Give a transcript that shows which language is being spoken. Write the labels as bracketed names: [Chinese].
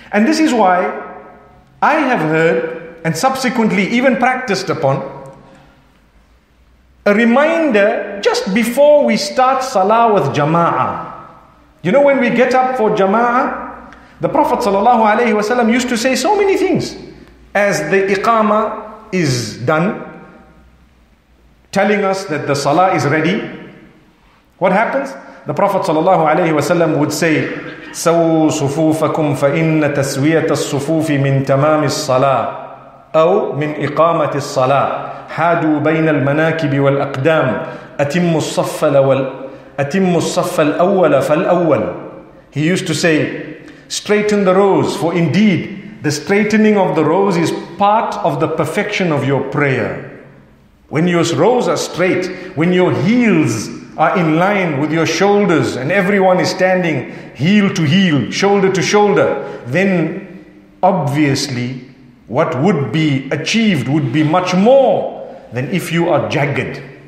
[English] And this is why I have heard, and subsequently even practiced upon, a reminder just before we start salah with jama'ah. You know, when we get up for jama'ah, the Prophet sallallahu alayhi wasallam used to say so many things. As the iqamah is done, telling us that the salah is ready, what happens? [Arabic] The Prophet sallallahu alayhi wasallam would say, سو صفوفكم فإن تسوية الصفوف من تمام الصلاة أو من إقامة الصلاة حادوا بين المناكب والأقدام أتم الصف الأول فالأول. [English] He used to say, straighten the rows, for indeed the straightening of the rows is part of the perfection of your prayer. When your rows are straight, when your heels are in line with your shoulders and everyone is standing heel to heel, shoulder to shoulder, then obviously what would be achieved would be much more than if you are jagged.